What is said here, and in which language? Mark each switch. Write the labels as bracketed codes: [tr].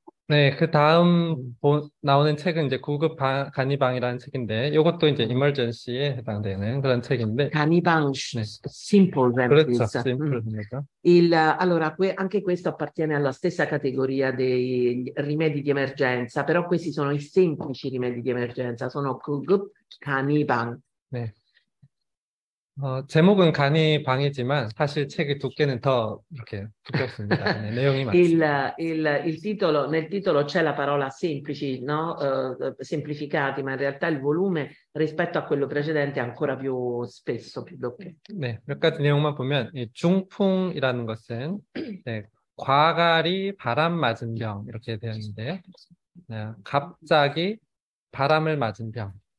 [ko] 네, 그 다음 나오는 책은 이제 구급 간이방이라는 책인데, 이것도 이제 emergency에 해당되는 그런 책인데, Canibang, 네. [en] simple [ko] 그렇죠. [en] remedies. [ko] Simple입니다. [it] Allora, anche questo appartiene alla stessa categoria dei rimedi di emergenza, però questi sono i semplici rimedi di emergenza, sono kugup canibang. [ko] 네. 제목은 간이방이지만, 사실 책의 두께는 더 이렇게 두껍습니다. 네, 내용이 많습니다. [it] Nel titolo c'è la parola semplici, no? Semplificati, ma in realtà il volume rispetto a quello precedente è ancora più spesso, più doppio. [ko] 네, 몇 가지 내용만 보면, 이 중풍이라는 것은, 네, 과갈이 바람 맞은 병, 이렇게 되어 있는데, 네, 갑자기 바람을 맞은 병.